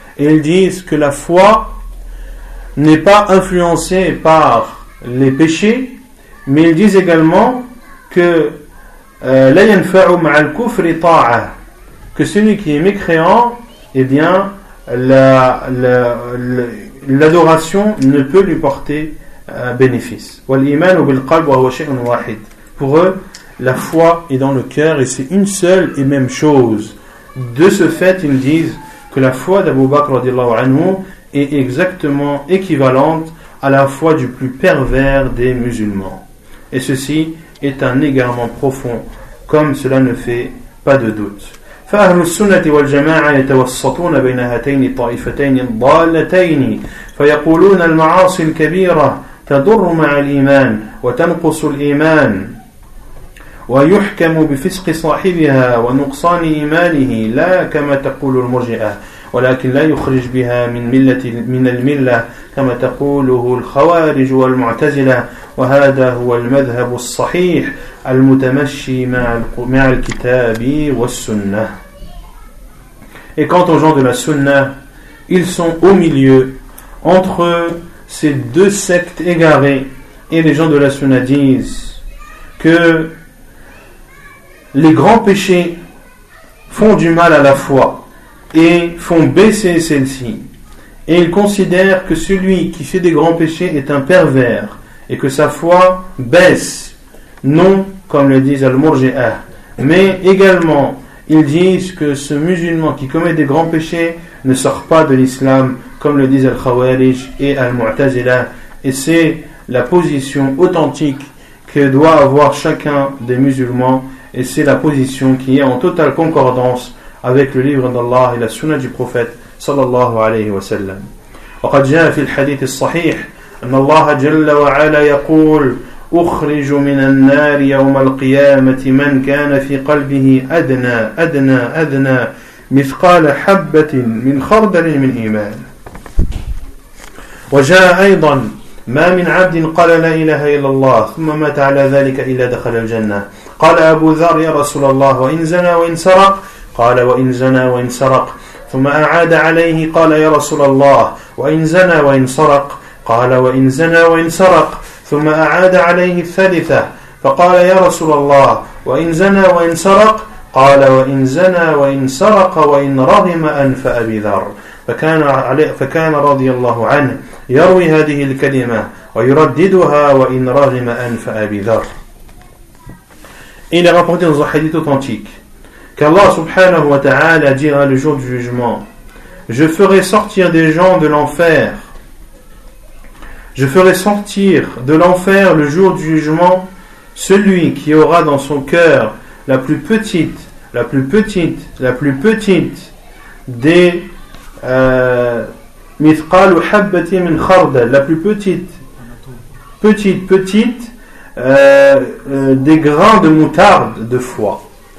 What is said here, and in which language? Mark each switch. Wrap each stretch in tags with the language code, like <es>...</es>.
<fr>Et ils disent que la foi n'est pas influencée par les péchés, mais ils disent également que</fr> <ar>لا ينفع مع الكفر طاعة,</ar> <fr>que celui qui est mécréant, eh bien, l'adoration ne peut lui porter bénéfice.</fr> <ar>والإيمان بالقلب وهو شيء واحد.</ar> <fr>Pour eux, la foi est dans le cœur et c'est une seule et même chose. De ce fait, ils disent que la foi d'Abu Bakr radiallahu anhu est exactement équivalente à la foi du plus pervers des musulmans. Et ceci est un égarement profond, comme cela ne fait pas de doute.</fr> <ar>فأهل السنة والجماعة يتوسطون بين هاتين الطائفتين الضالتين فيقولون المعاصي الكبيرة تضر مع الإيمان وتنقص الإيمان ويحكم بفسق صاحبها ونقصان إيمانه لا كما تقول المرجئة ولكن لا يخرج بها من الملة كما تقوله الخوارج والمعتزلة وهذا هو المذهب الصحيح المتمشي مع الكتاب والسنة.</ar> <fr>Et quant aux gens de la Sunna, ils sont au milieu entre ces deux sectes égarées. Et les gens de la Sunna disent que les grands péchés font du mal à la foi et font baisser celle-ci. Et ils considèrent que celui qui fait des grands péchés est un pervers et que sa foi baisse, non comme le disent al-Murji'ah, mais également... Ils disent que ce musulman qui commet des grands péchés ne sort pas de l'islam, comme le disent Al-Khawarij et Al-Mu'tazila. Et c'est la position authentique que doit avoir chacun des musulmans. Et c'est la position qui est en totale concordance avec le livre d'Allah et la sunna du prophète, sallallahu alayhi wa sallam.</fr> <ar>وقد جاء في الحديث الصحيح أن الله جل وعلا يقول أخرج من النار يوم القيامة من كان في قلبه أدنى أدنى أدنى مثقال حبة من خردل من إيمان. وجاء أيضا ما من عبد قال لا إله إلا الله ثم مات على ذلك إلا دخل الجنة. قال أبو ذر يا رسول الله وإن زنى وإن سرق؟ قال وإن زنى وإن سرق. ثم أعاد عليه قال يا رسول الله وإن زنى وإن سرق؟ قال وإن زنى وإن سرق. ثم أعاد عليه الثالثة فقال يا رسول الله وإن زنى وإن سرق؟ قال وإن زنى وإن سرق وإن رغم أنف أبي ذر. فكان رضي الله عنه يروي هذه الكلمة ويرددها وإن رغم أنف أبي ذر. إلى رابط دون حديث</ar> <fr>authentique</fr> <ar>كالله سبحانه وتعالى</ar> <fr>dira le jour du jugement: je ferai sortir des gens de l'enfer. Je ferai sortir de l'enfer le jour du jugement celui qui aura dans son cœur la plus petite, la plus petite, la plus petite des mithqal ou</fr> <ar>habbati min khardal,</ar> <fr>la plus petite, petite, petite des grains de moutarde de foi.</fr>